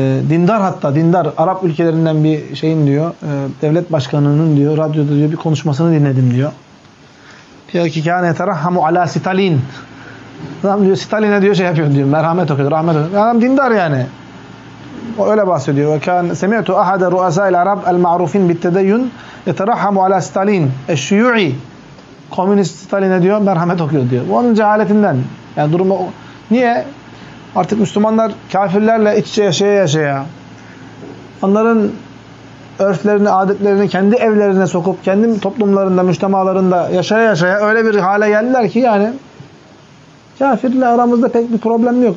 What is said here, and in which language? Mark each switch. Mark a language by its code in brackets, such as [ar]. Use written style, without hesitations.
[tr] Dindar hatta dindar Arap ülkelerinden bir şeyin diyor. Devlet başkanının diyor radyoda diyor bir konuşmasını dinledim diyor. Diyor ki [ar] kâne terahhamu alâ sitalin. [tr] Adam diyor Stalin'e diyor şey yapıyor diyor. Merhamet okuyor. Rahmet okuyor. Adam dindar yani. O öyle bahsediyor. [ar] وَكَانْ سَمِعْتُ اَحَدَ رُؤَسَا الْعَرَبْ الْمَعْرُوفِينَ بِالتَّدَيُّنِ يَتَرَحَّمُ عَلَى سْتَالِينَ الشُّيُعِ [tr] Komünist Stalin'e diyor merhamet okuyor diyor. Bu onun cehaletinden. Yani durumu niye? Artık Müslümanlar kafirlerle iç içe yaşaya yaşaya onların örflerini, adetlerini kendi evlerine sokup kendi toplumlarında, müştemalarında yaşaya yaşaya öyle bir hale geldiler ki yani kafirle aramızda pek bir problem yok.